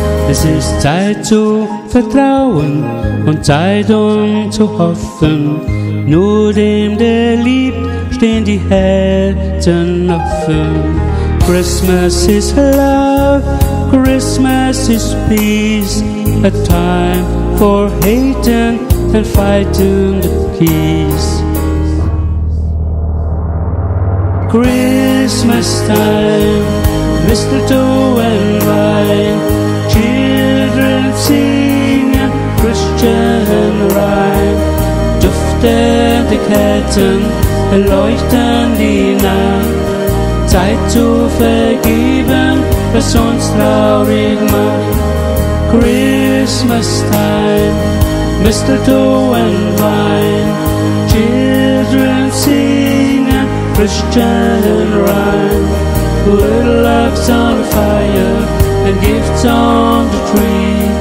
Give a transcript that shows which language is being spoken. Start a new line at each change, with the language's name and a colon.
German: Es ist Zeit zu vertrauen und Zeit um zu hoffen. Nur dem, der liebt, stehen die Herzen offen.
English: Christmas is love, Christmas is peace. A time for hating and fighting the keys. Christmas time, mistletoe and wine. Sing a Christian rhyme.
German: Duftende Ketten erleuchten die Nacht. Zeit zu vergeben, was uns traurig macht.
English: Christmas time, mistletoe and wine. Children sing a Christian rhyme. Little love's on fire and gifts on the tree.